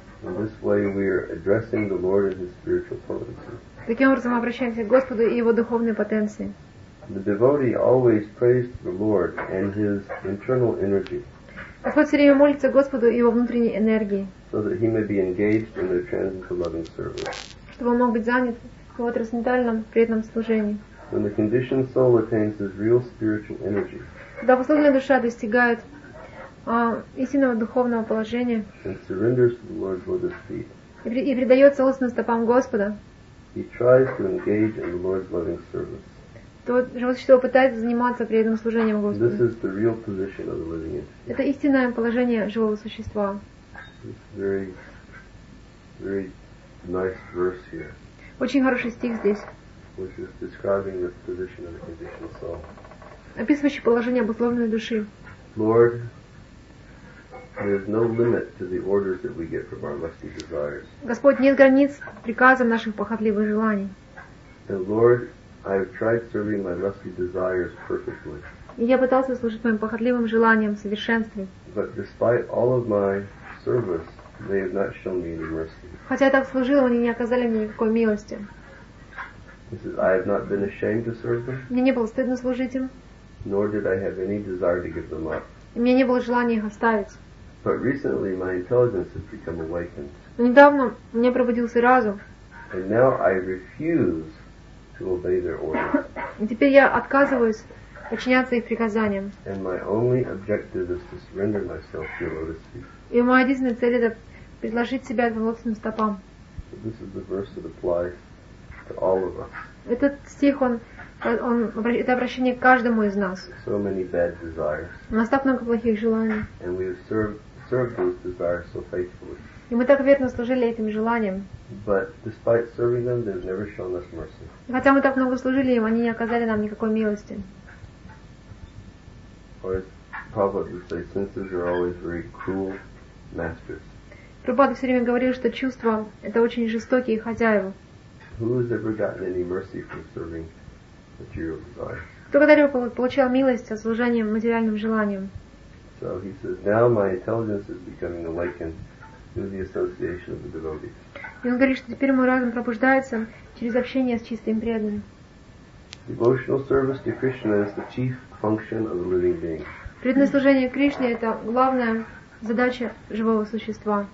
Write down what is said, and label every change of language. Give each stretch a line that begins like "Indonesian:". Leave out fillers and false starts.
English: In this way we are addressing the Lord and His spiritual potency.
Russian: Таким образом обращаемся к Господу и Его духовной потенции.
English: The devotee always prays to the Lord and His internal energy.
Russian: Господь все время молится Господу и Его внутренней энергии.
English: So that He may be engaged in the transcendental loving service.
Russian: Чтобы он мог быть занят в Его трансцендентальном преданном служении.
English: When the conditioned soul attains his real spiritual energy.
Russian: Когда послушная душа достигает истинного духовного положения.
English: And surrenders to the Lord's lotus feet.
Russian: И предается лотосным стопам Господа.
English: He tries to engage in the Lord's loving service.
Russian: То живое существо пытается заниматься преданным служением Господу.
English: This is the real position of the living entity.
Russian: Это истинное положение живого существа.
English: It's very, very nice verse here.
Russian: Очень хороший стих здесь.
English: Which is describing the position of the conditioned soul.
Russian: Описывающий положение обусловленной души.
English: Lord, there is no limit to the orders that we get from our lusty desires.
Russian: Господь, нет границ приказам наших похотливых желаний.
English: And Lord, I have tried serving my lusty desires perfectly.
Russian: И я пытался служить моим похотливым желаниям в совершенстве.
English: But despite all of my service, they have not shown me any mercy.
Russian: Хотя я так служил, они не оказали мне никакой милости.
English: He says, I have not been ashamed to serve them.
Russian: Мне не было стыдно служить им.
English: Nor did I have any desire to give them up.
Russian: Мне не было желания их оставить.
English: But recently my intelligence has become awakened.
Russian: Но недавно у меня пробудился разум.
English: And now I refuse to obey their orders.
Russian: И теперь я отказываюсь подчиняться их приказаниям.
English: And my only objective is to surrender myself to your lotus feet.
Russian: И моя единственная цель это предложить себя к лотосным стопам.
English: So this is the verse that applies to all of us.
Russian: Этот стих он это обращение к каждому из нас.
English: So many bad desires.
Russian: У нас так много плохих желаний.
English: And we have served those desires so faithfully.
Russian: И мы так верно служили этим желаниям.
English: But despite serving them, they've never shown us mercy.
Russian: Хотя мы так много служили им, они не оказали нам никакой милости.
English: Or as Prabhupada would say, senses are always very cruel masters.
Russian: Прабхупада все время говорил, что чувства это очень жестокие хозяева.
English: Who has ever gotten any mercy from serving material desires?
Russian: Кто когда-либо получал милость от служения материальным желаниям?
English: So he says, now my intelligence is becoming awakened through the association of the devotees.
Russian: И он говорит, что теперь мой разум пробуждается через общение с чистым преданным.
English: Devotional service to Krishna is the chief function of a living being.
Russian: Преданное служение Кришне это главная задача живого существа.